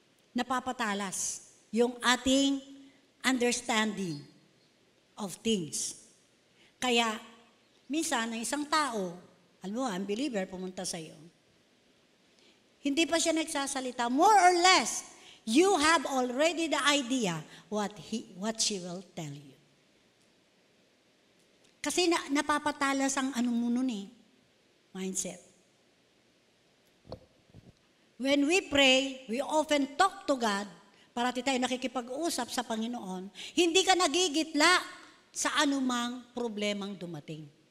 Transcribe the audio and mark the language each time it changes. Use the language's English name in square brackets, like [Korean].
[Filipino] Napapatalas yung ating [English] understanding of things. [Filipino] Kaya, minsan, ang isang tao, alam mo, ang believer, pumunta sa iyo, hindi pa siya nagsasalita. [English] More or less, you have already the idea what she will tell you. [Filipino] Kasi napapatalas ang anong muno ni mindset. [English] When we pray, we often talk to God, [Filipino] parati tayo nakikipag-usap sa Panginoon, hindi ka nagigitla sa anumang problemang dumating.